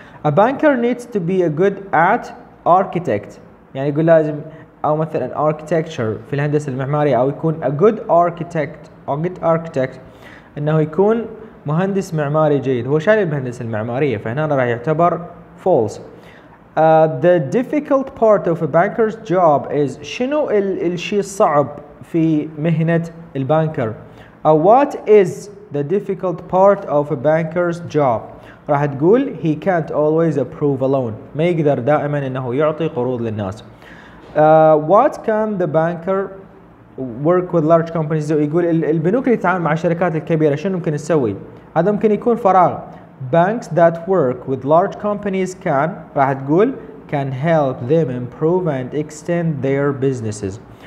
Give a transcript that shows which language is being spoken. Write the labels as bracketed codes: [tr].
[en] A banker needs to be a good at architect، [ar] يعني يقول لازم، أو مثلا architecture في الهندسة المعمارية، أو يكون [en] a good architect [ar] أو [en] good architect [ar] أنه يكون مهندس معماري جيد. هو شايل المهندسة المعمارية، فهنا راح يعتبر false. [en] The difficult part of a banker's job is [ar] شنو الشيء الصعب في مهنة البانكر؟ [en] What is the difficult part of a banker's job? [ar] راح تقول [en] he can't always approve a loan. [ar] ما يقدر دائما انه يعطي قروض للناس. [en] What can the banker work with large companies do? [ar] يقول البنوك اللي تتعامل مع الشركات الكبيرة شنو ممكن تسوي؟ هذا ممكن يكون فراغ. [en] Banks that work with large companies can, [ar] راح تقول, [en] can help them improve and extend their businesses.